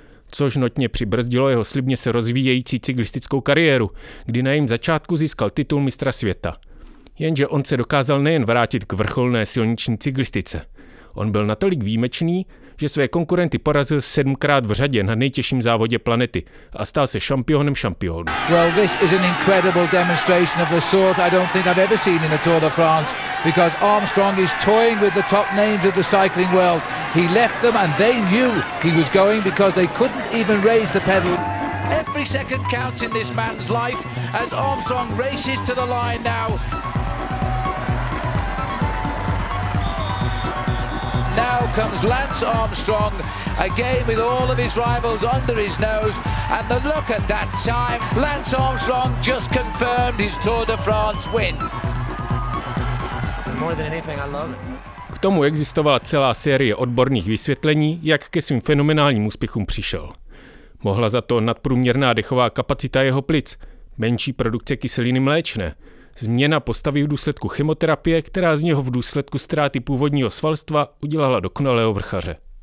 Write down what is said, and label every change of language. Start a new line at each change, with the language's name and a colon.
Czech: Což notně přibrzdilo jeho slibně se rozvíjející cyklistickou kariéru, kdy na jejím začátku získal titul mistra světa. Jenže on se dokázal nejen vrátit k vrcholné silniční cyklistice. On byl natolik výjimečný, že své konkurenty porazil 7x v řadě na nejtěžším závodě planety a stal se šampionem šampionů.
English: Well, this is an incredible demonstration of the sort I don't think I've ever seen in the Tour de France, because Armstrong is toying with the top names of the cycling world. He left them and they knew he was going because they couldn't even raise the pedal. Every second counts in this man's life as Armstrong races to the line now. Now comes Lance Armstrong, again with all of his rivals under his nose, and the look at that time, Lance Armstrong just confirmed his Tour de France win. More than anything, I love it.
Czech: K tomu existovala celá série odborných vysvětlení, jak ke svým fenomenálním úspěchům přišel. Mohla za to nadprůměrná dechová kapacita jeho plic, menší produkce kyseliny mléčné, změna postavy v důsledku chemoterapie, která z něho v důsledku ztráty původního svalstva udělala dokonalého vrchaře.